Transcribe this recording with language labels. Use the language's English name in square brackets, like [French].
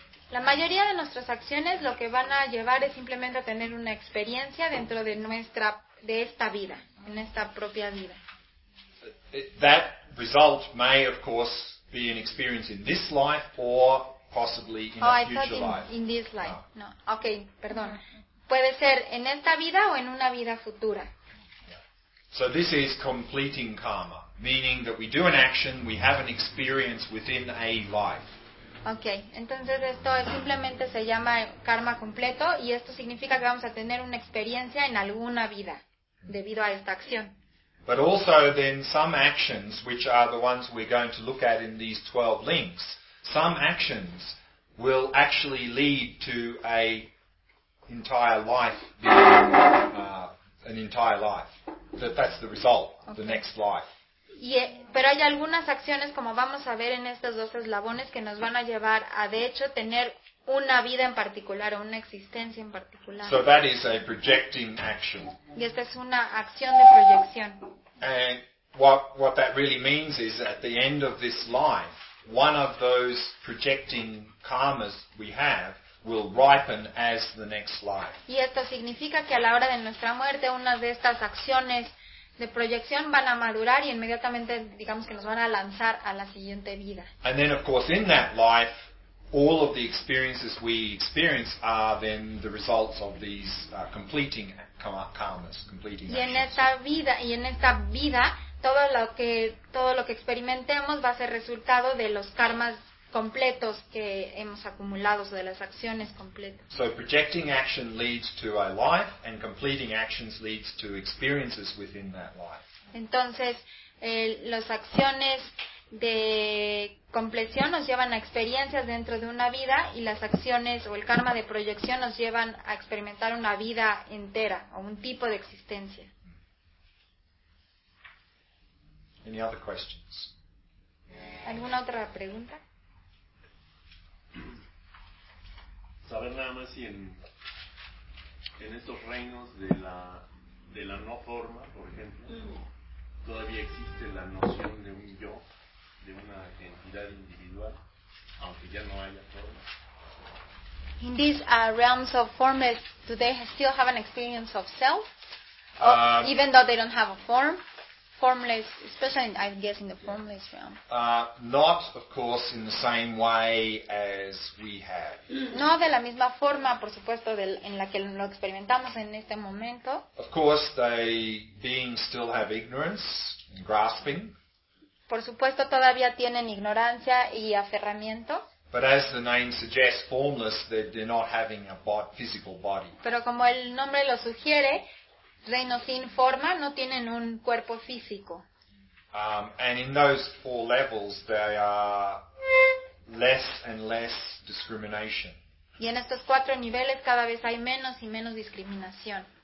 [Spanish] La mayoría de nuestras acciones lo que van a llevar es simplemente a tener una experiencia dentro de nuestra de esta vida, en esta propia vida. [English] That result may, of course, be an experience in this life or possibly in a future life. In this life. No. Okay, [Spanish] perdón. Puede ser en esta vida o en una vida futura. [English] So this is completing karma, meaning that we do an action, we have an experience within a life. [Spanish] Okay, entonces esto simplemente se llama karma completo y esto significa que vamos a tener una experiencia en alguna vida debido a esta acción. [English] But also then some actions, which are the ones we're going to look at in these 12 links, some actions will actually lead to an entire life. That's the result, okay. The next life. [Spanish] Pero hay algunas acciones, como vamos a ver en estos dos eslabones, que nos van a llevar a, de hecho, tener una vida en particular o una existencia en particular. [English] So that is a projecting action. [Spanish] Y esta es una acción de proyección. [English] And what that really means is at the end of this life, one of those projecting karmas we have will ripen as the next life. [Spanish] Y esto significa que a la hora de nuestra muerte, una de estas acciones de proyección van a madurar y inmediatamente digamos que nos van a lanzar a la siguiente vida. [English] And then of course in that life all of the experiences we experience are then the results of these completing karmas, completing actions. [Spanish] Y en esta vida todo lo que experimentemos va a ser resultado de los karmas completos que hemos acumulado o de las acciones completas. [English] So projecting action leads to a life and completing actions leads to experiences within that life. [Spanish] Entonces, las acciones de compleción nos llevan a experiencias dentro de una vida y las acciones o el karma de proyección nos llevan a experimentar una vida entera o un tipo de existencia. [English] Any other questions? [Spanish] ¿Alguna otra pregunta? Saber nada más si en estos reinos de la no forma, por ejemplo, todavía existe la noción de un yo, de una entidad individual, aunque ya no haya forma. [English] In these realms of formless, do they still have an experience of self, even though they don't have a form? Formless, especially I guess in the formless realm. Not, of course, in the same way as we have. [Spanish] No de la misma forma, por supuesto, en la que lo experimentamos en este momento. [English] Of course, they beings still have ignorance and grasping. [Spanish] Por supuesto, todavía tienen ignorancia y aferramiento. [English] But as the name suggests, formless, they're not having a physical body. [Spanish] Pero como el nombre lo sugiere, reinos sin forma no tienen un cuerpo físico. [English] And in those four levels, they are less and less discrimination. [Spanish] Y en estos cuatro niveles cada vez hay menos y menos discriminación.